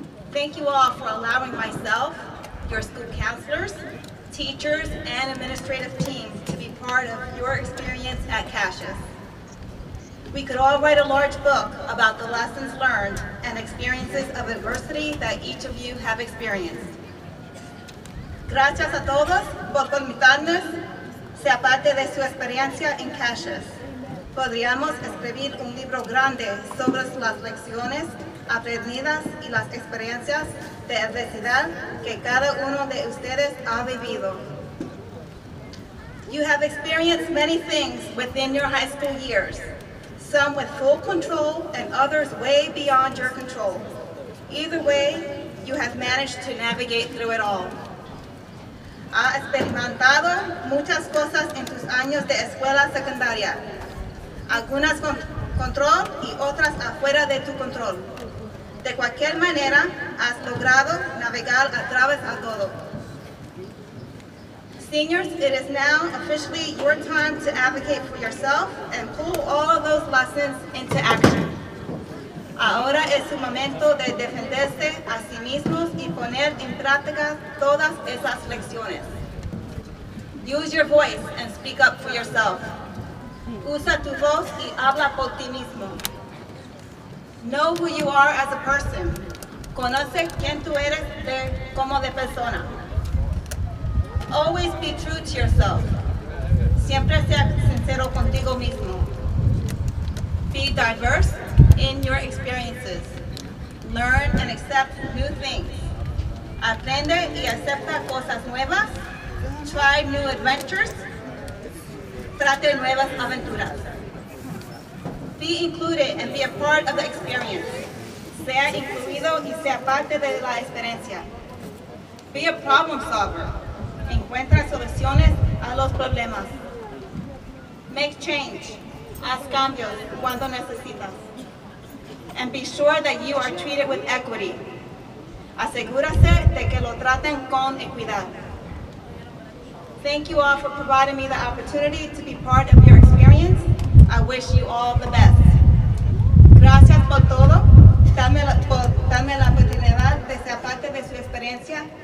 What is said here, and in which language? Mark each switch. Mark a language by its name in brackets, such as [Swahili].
[English] Thank you all for allowing myself, your school counselors, teachers, and administrative teams to be part of your experience at Cash's. We could all write a large book about the lessons learned and experiences of adversity that each of you have experienced. [Spanish] Gracias a todos por permitirnos ser parte de su experiencia en Cash's. Podríamos escribir un libro grande sobre las lecciones aprendidas y las experiencias de adversidad que cada uno de ustedes ha vivido. [English] You have experienced many things within your high school years, some with full control and others way beyond your control. Either way, you have managed to navigate through it all. [Spanish] Ha experimentado muchas cosas en tus años de escuela secundaria. Algunas con control y otras afuera de tu control. De cualquier manera, has logrado navegar a través de todo. [English] Seniors, it is now officially your time to advocate for yourself and pull all of those lessons into action. [Spanish] Ahora es su momento de defenderse a sí mismos y poner en práctica todas esas lecciones. [English] Use your voice and speak up for yourself. [Spanish] Usa tu voz y habla por ti mismo. [English] Know who you are as a person. [Spanish] Conoce quién tú eres como de persona. [English] Always be true to yourself. [Spanish] Siempre sea sincero contigo mismo. [English] Be diverse in your experiences. Learn and accept new things. [Spanish] Aprende y acepta cosas nuevas. [English] Try new adventures. [Spanish] Trate nuevas aventuras. [English] Be included and be a part of the experience. [Spanish] Sea incluido y sea parte de la experiencia. [English] Be a problem solver. [Spanish] Encuentra soluciones a los problemas. [English] Make change. [Spanish] Haz cambios cuando necesitas. [English] And be sure that you are treated with equity. [Spanish] Asegúrate de que lo traten con equidad. [English] Thank you all for providing me the opportunity to be part of your experience. I wish you all the best. [Spanish] Gracias por todo. Dame la oportunidad de ser parte de su experiencia.